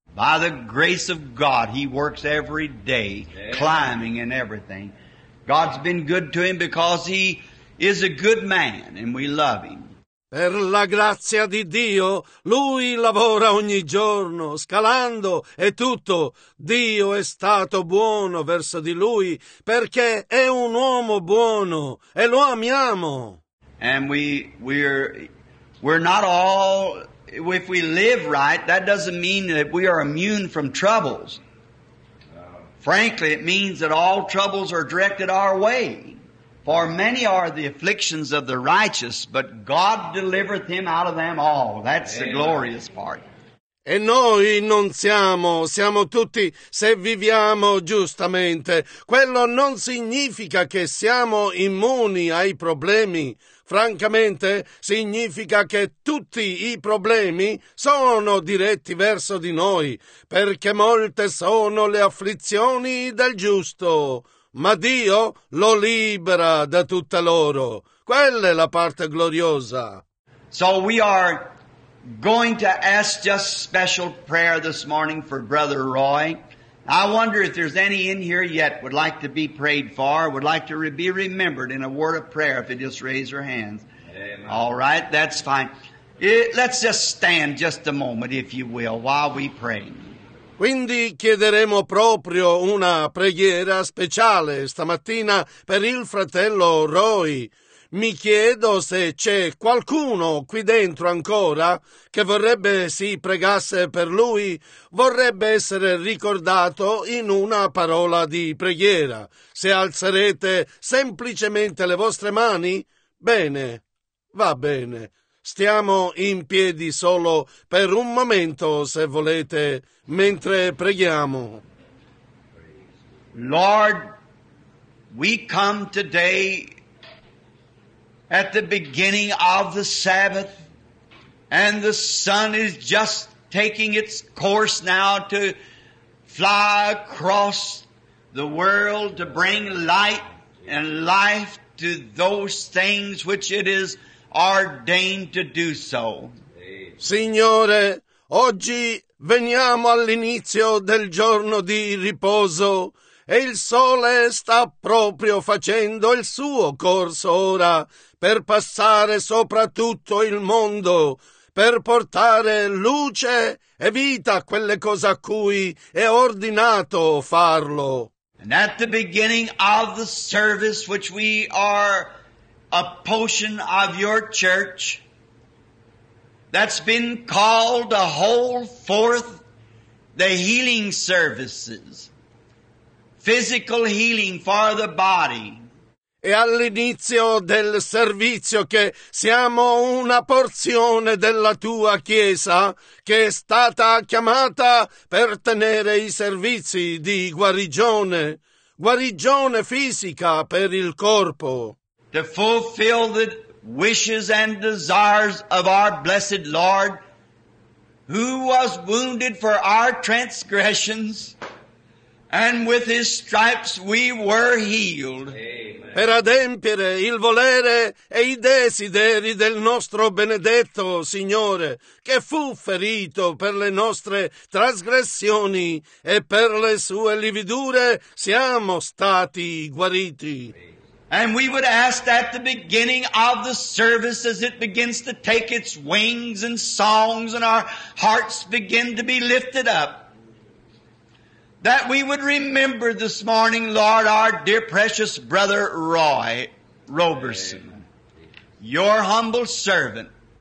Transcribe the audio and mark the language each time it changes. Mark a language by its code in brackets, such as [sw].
[en] By the grace of God he works every day climbing and everything. God's been good to him because he is a good man and we love him. [it] Per la grazia di Dio, lui lavora ogni giorno, scalando e tutto. Dio è stato buono verso di lui perché è un uomo buono e lo amiamo. [en] And we're not all, if we live right, that doesn't mean that we are immune from troubles. Frankly, it means that all troubles are directed our way. For many are the afflictions of the righteous, but God delivereth him out of them all. That's the glorious part. [it] E noi non siamo tutti, se viviamo giustamente. Quello non significa che siamo immuni ai problemi. Francamente, significa che tutti i problemi sono diretti verso di noi, perché molte sono le afflizioni del giusto, ma Dio lo libera da tutte loro. Quella è la parte gloriosa. [en] So we are going to ask just special prayer this morning for Brother Roy. I wonder if there's any in here yet would like to be prayed for, would like to be remembered in a word of prayer, if you just raise your hands. Amen. All right, that's fine. Let's just stand just a moment, if you will, while we pray. [it] Quindi chiederemo proprio una preghiera speciale stamattina per il fratello Roy. Mi chiedo se c'è qualcuno qui dentro ancora che vorrebbe si pregasse per lui, vorrebbe essere ricordato in una parola di preghiera. Se alzerete semplicemente le vostre mani, bene, va bene. Stiamo in piedi solo per un momento, se volete, mentre preghiamo. [en] Lord, we come today at the beginning of the Sabbath, and the sun is just taking its course now to fly across the world to bring light and life to those things which it is ordained to do so. [it] Signore, oggi veniamo all'inizio del giorno di riposo, e il sole sta proprio facendo il suo corso ora per passare sopra tutto il mondo, per portare luce e vita a quelle cose a cui è ordinato farlo. [en] And at the beginning of the service, which we are a portion of your church, that's been called to hold forth the healing services, physical healing for the body. [it] E all'inizio del servizio, che siamo una porzione della tua chiesa, che è stata chiamata per tenere i servizi di guarigione, guarigione fisica per il corpo. [en] To fulfill the wishes and desires of our blessed Lord, who was wounded for our transgressions, and with his stripes we were healed. Amen. [it] Per adempiere il volere e i desideri del nostro benedetto Signore, che fu ferito per le nostre trasgressioni e per le sue lividure siamo stati guariti. [en] And we would ask at the beginning of the service, as it begins to take its wings and songs and our hearts begin to be lifted up, that we would remember this morning, Lord, our dear precious brother Roy Roberson, your humble servant.